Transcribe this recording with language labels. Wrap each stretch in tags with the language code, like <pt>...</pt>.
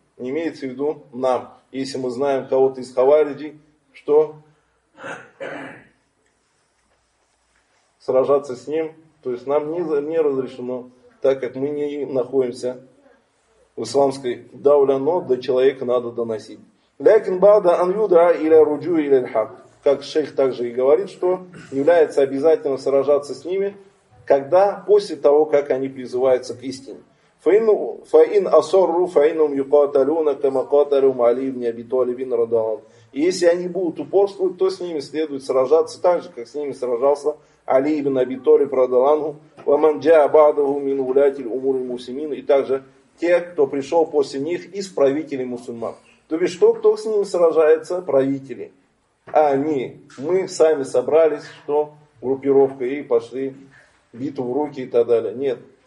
<ru>Не имеется в виду нам. Если мы знаем кого-то из хавариджи, что сражаться с ним, то есть нам не разрешено, так как мы не находимся в исламской дауле, но до человека надо доносить.</ru> <ar>لكن بعد أن يدعى إلى رجوع إلى الحق,</ar> <ru>как шейх также и говорит, что является обязательным сражаться с ними, когда после того, как они призываются к истине.</ru> <ar>فإن أصروا فإنهم يقاتلون كما قاتلوا علي بن أبي طالب رضي الله عنه.</ar> <ru>И если они будут упорствовать, то с ними следует сражаться так же, как с ними сражался Али ибн Аби Толиб</ru> <ar>رضي الله عنه. ومن جاء بعده من ولاة الأمور المسلمين,</ar> <ru>и также те, кто пришел после них из правителей мусульман. То есть, что, кто с ними сражается? Правители. А они, мы сами собрались, что группировка, и пошли битву в руки и так далее. Нет.</ru>